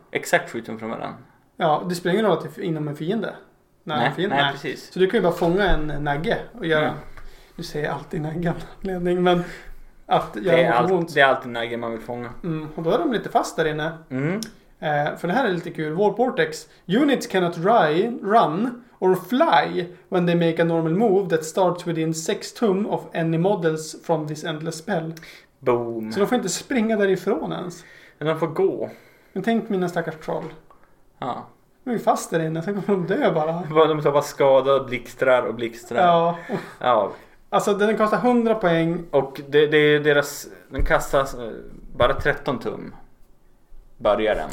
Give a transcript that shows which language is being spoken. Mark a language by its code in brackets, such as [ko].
[sv] Exakt 7-tum från varann. Ja, det spelar ingen roll att det är inom en fiende. Nej, precis. Så du kan ju bara fånga en nagge och göra... Nu säger jag alltid naggeanledning, men... Att det är alltid nagge man vill fånga. Mm, och då är de lite fast där inne. Mm. För det här är lite kul. Warp Vortex. [en] Units cannot run or fly when they make a normal move that starts within 6 [sv] tum [en] of any models from this endless spell. Boom. [sv] Så de får inte springa därifrån ens. Men de får gå. Men tänk mina stackars troll. Ja. De är fast där inne. Sen kommer de dö bara. De tar bara skada och blixtrar och blixtrar. Ja. Ja. Alltså den kostar 100 poäng. Och det är deras... Den kastas bara 13 tum. Börjar den.